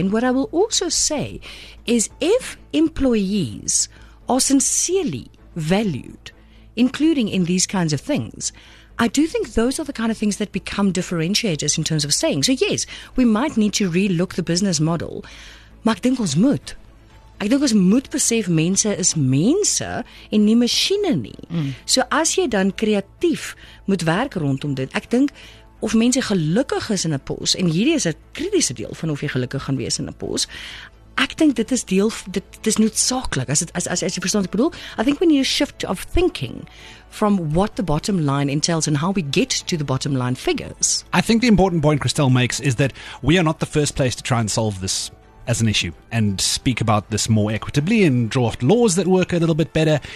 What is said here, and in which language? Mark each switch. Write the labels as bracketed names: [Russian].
[English] And what I will also say is, if employees are sincerely valued, including in these kinds of things, I do think those are the kind of things that become differentiators in terms of saying, so yes, we might need to relook the business model. [Afrikaans] Maar ek dink ons moet. Ek dink ons moet besef mense is mense en nie masjiene nie. So as jy dan kreatief moet werk rondom dit, ek dink of mense gelukkig is in 'n pos, en hierdie is 'n kritiese deel van of jy gelukkig gaan wees in 'n pos, ek dink dit is deel, dit is noodsaaklik, as jy verstaan wat ek bedoel. [English] I think we need a shift of thinking from what the bottom line entails and how we get to the bottom line figures. I think the important point Christel makes is that we are not the first place to try and solve this as an issue and speak about this more equitably and draft laws that work a little bit better.